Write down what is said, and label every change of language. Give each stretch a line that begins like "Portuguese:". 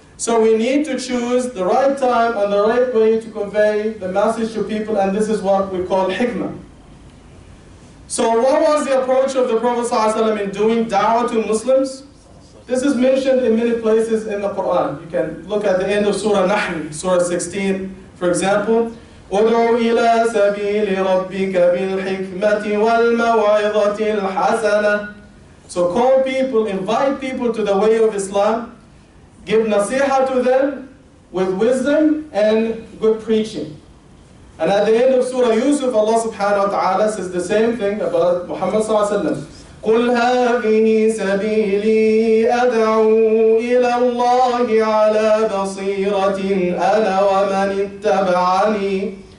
English: So we need to choose the right time and the right way to convey the message to people, and this is what we call hikmah. So what was the approach of the Prophet Sallallahu Alaihi Wasallam in doing da'wah to Muslims? This is mentioned in many places in the Quran. You can look at the end of Surah Nahl, Surah 16, for example.
Arabic: ادعوا إلى سبيل ربك بالحكمة والموعظة الحسنة.
English: So call people, invite people to the way of Islam. Give nasiha to them with wisdom and good preaching. And at the end of Surah Yusuf, Allah subhanahu wa ta'ala says the same thing about Muhammad sallallahu alayhi wa sallam.
Arabic: قُلْ هَذِهِ سَبِيلِي أَدْعُو إِلَى اللَّهِ عَلَى بَصِيرَةٍ أَنَا وَمَنِ اتَّبَعَنِي.